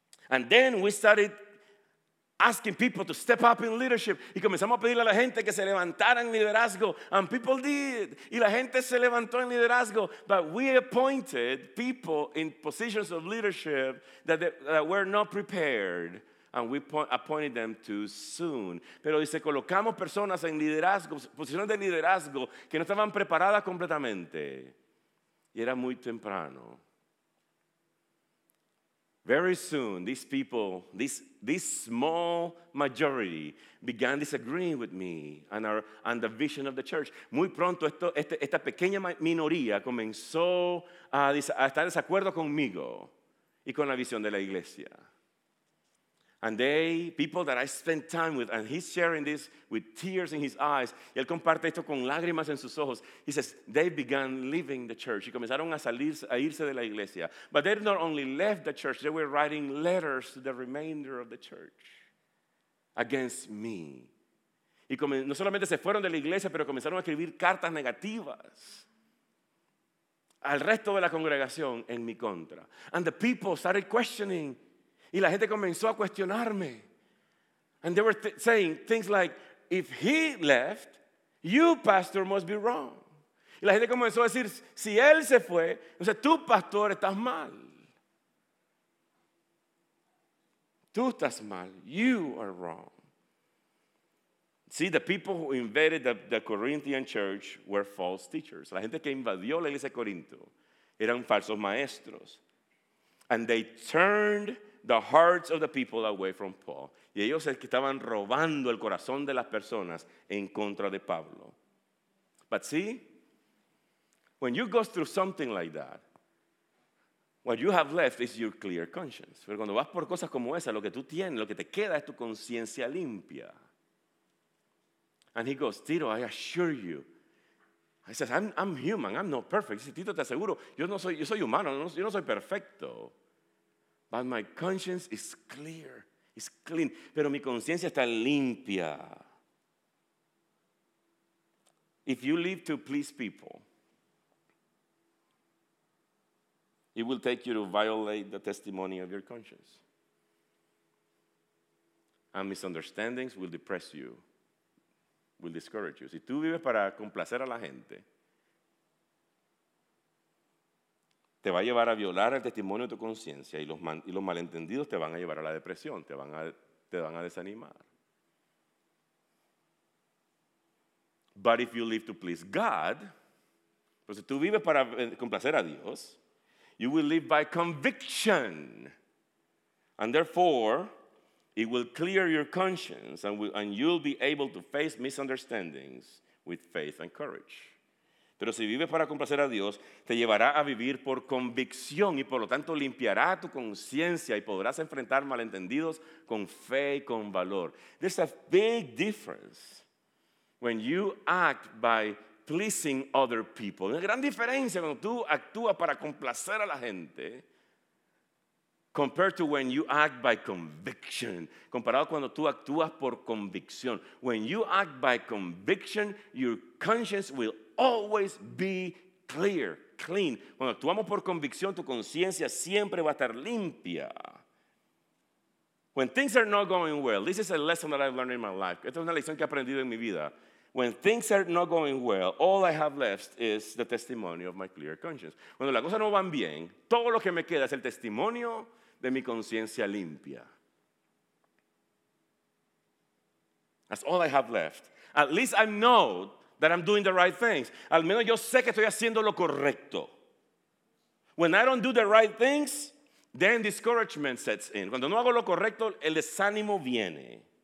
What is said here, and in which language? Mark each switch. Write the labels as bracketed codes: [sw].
[en] And then we started asking people to step up in leadership. [es] Y comenzamos a pedirle a la gente que se levantara en liderazgo. [en] And people did. [es] Y la gente se levantó en liderazgo. [en] But we appointed people in positions of leadership that were not prepared. And we appointed them too soon. [es] Pero dice, colocamos personas en liderazgo, posiciones de liderazgo que no estaban preparadas completamente. Y era muy temprano. [en] Very soon, these people, this small majority, began disagreeing with me and the vision of the church. [es] Muy pronto, esta pequeña minoría comenzó a estar en desacuerdo conmigo y con la visión de la iglesia. [en] And they, people that I spent time with, and he's sharing this with tears in his eyes, [es] y él comparte esto con lágrimas en sus ojos, [en] he says, they began leaving the church. [es] Y comenzaron a irse de la iglesia. [en] But they not only left the church, they were writing letters to the remainder of the church against me. [es] Y no solamente se fueron de la iglesia, pero comenzaron a escribir cartas negativas al resto de la congregación en mi contra. [en] And the people started questioning. [es] Y la gente comenzó a cuestionarme. [en] And they were saying things like, if he left, you, pastor, must be wrong. [es] Y la gente comenzó a decir, si él se fue, entonces tú, pastor, estás mal. Tú estás mal. [en] You are wrong. See, the people who invaded the Corinthian church were false teachers. [es] La gente que invadió la iglesia de Corinto eran falsos maestros. [en] And they turned the hearts of the people away from Paul. [es] Y ellos es que estaban robando el corazón de las personas en contra de Pablo. [en] But see, when you go through something like that, what you have left is your clear conscience. [es] Pero cuando vas por cosas como esa, lo que tú tienes, lo que te queda es tu conciencia limpia. [en] And he goes, Tito, I assure you. He says, I'm human, I'm not perfect. He says, [es] Tito, te aseguro, yo soy humano, yo no soy perfecto. [en] But my conscience is clear, it's clean. [es] Pero mi conciencia está limpia. [en] If you live to please people, it will take you to violate the testimony of your conscience. And misunderstandings will depress you, will discourage you. [es] Si tú vives para complacer a la gente, te va a llevar a violar el testimonio de tu conciencia y los malentendidos te van a llevar a la depresión, te van a desanimar. [en] But if you live to please God, [es] pues si tú vives para complacer a Dios, [en] you will live by conviction. And therefore, it will clear your conscience and you'll be able to face misunderstandings with faith and courage. [es] Pero si vives para complacer a Dios, te llevará a vivir por convicción y por lo tanto limpiará tu conciencia y podrás enfrentar malentendidos con fe y con valor. [en] There's a big difference when you act by pleasing other people. [es] Una gran diferencia cuando tú actúas para complacer a la gente [en] compared to when you act by conviction. [es] Comparado cuando tú actúas por convicción. [en] When you act by conviction, your conscience will always be clear, clean. [es] Cuando actuamos por convicción, tu conciencia siempre va a estar limpia. [en] When things are not going well, this is a lesson that I've learned in my life. [es] Esta es una lección que he aprendido en mi vida. [en] When things are not going well, all I have left is the testimony of my clear conscience. [es] Cuando las cosas no van bien, todo lo que me queda es el testimonio de mi conciencia limpia. [en] That's all I have left. At least I know that I'm doing the right things. [es] Al menos yo sé que estoy haciendo lo correcto. [en] When I don't do the right things, then discouragement sets in. [es] Cuando no hago lo correcto, el desánimo viene.